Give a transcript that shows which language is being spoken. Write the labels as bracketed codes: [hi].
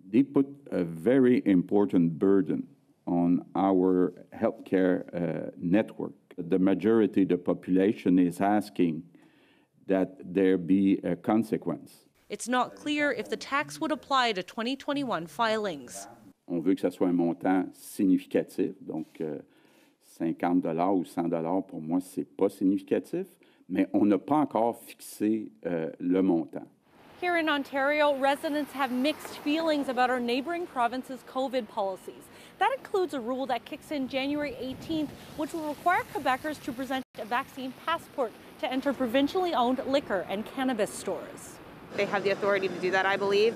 [en] They put a very important burden on our healthcare network. The majority of the population is asking that there be a consequence. It's not clear if the tax would apply to 2021 filings. [fr] On veut que ça soit un montant significatif, donc $50 ou $100 pour moi c'est pas significatif, mais on n'a pas encore fixé le montant. [en] Here in Ontario, residents have mixed feelings about our neighboring province's COVID policies. That includes a rule that kicks in January 18th, which will require Quebecers to present a vaccine passport to enter provincially owned liquor and cannabis stores. They have the authority to do that, I believe.